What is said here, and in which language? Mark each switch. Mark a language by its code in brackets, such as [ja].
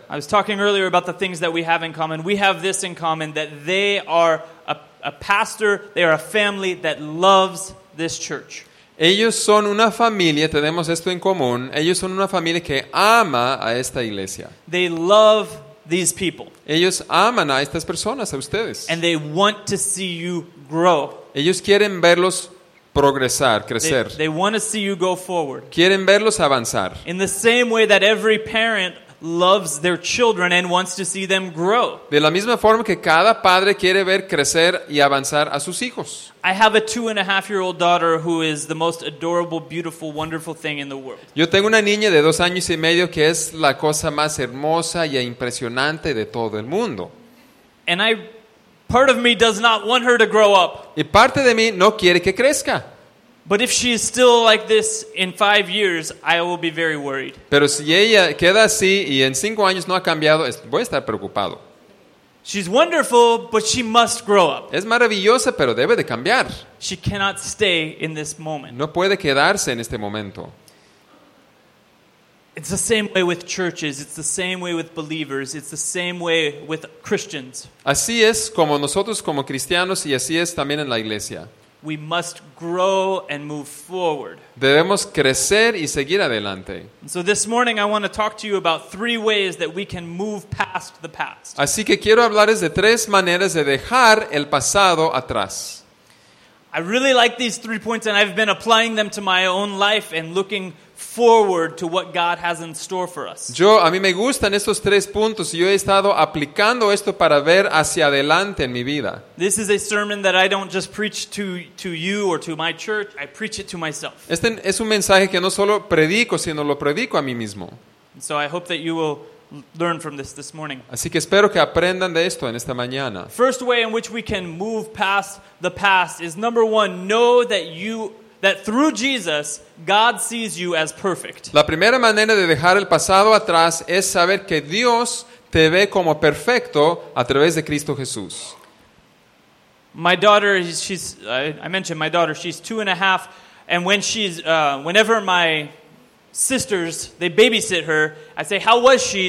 [en] I was talking earlier about the things that we have in common. We have this in common, that they are a pastor, they are a family that loves this church. [es] Ellos son una familia, tenemos esto en común, ellos son una familia que ama a esta iglesia. [en] They love these people. [es] Ellos aman a estas personas, a ustedes. [en] And they want to see you grow. [es] Ellos quieren verlos progresar, crecer. [en] They want to see you go forward. [es] Quieren verlos avanzar. [en] In the same way that every parent loves their children and wants to see them grow. [es] De la misma forma que cada padre quiere ver crecer y avanzar a sus hijos. [en] I have a 2.5-year-old daughter who is the most adorable, beautiful, wonderful thing in the world. [es] Yo tengo una niña de 2 años y medio que es la cosa más hermosa y impresionante de todo el mundo. [en] And part of me does not want her to grow up. [es] Y parte de mí no quiere que crezca. [en] But if she is still like this in 5 years, I will be very worried. [es] Pero si ella queda así y en 5 años no ha cambiado, voy a estar preocupado. [en] She's wonderful, but she must grow up. [es] Es maravillosa, pero debe de cambiar. [en] She cannot stay in this moment. [es] No puede quedarse en este momento. [en] It's the same way with churches, it's the same way with believers, it's the same way with Christians. [es] Así es como nosotros como cristianos y así es también en la iglesia. [en] We must grow and move forward. [es] Debemos crecer y seguir adelante. [en] So this morning I want to talk to you about 3 ways that we can move past the past. [es] Así que quiero hablarles de 3 maneras de dejar el pasado atrás. [en] I really like these 3 points and I've been applying them to my own life and looking forward to what God has in store for us. [es] Yo, a mí me gustan estos 3 puntos y yo he estado aplicando esto para ver hacia adelante en mi vida. [en] This is a sermon that I don't just preach to you or to my church, I preach it to myself. [es] Este es un mensaje que no solo predico, sino lo predico a mí mismo. [en] So I hope that you will learn from this morning. [es] Así que espero que aprendan de esto en esta mañana. [en] First way in which we can move past the past is number one, know that you that through Jesus God sees you as perfect. [es] La primera manera de dejar el pasado atrás es saber que Dios te ve como perfecto a través de Cristo Jesús. [en] My daughter, she's 2.5, and when she's whenever my sisters they babysit her, I say, "How was she?"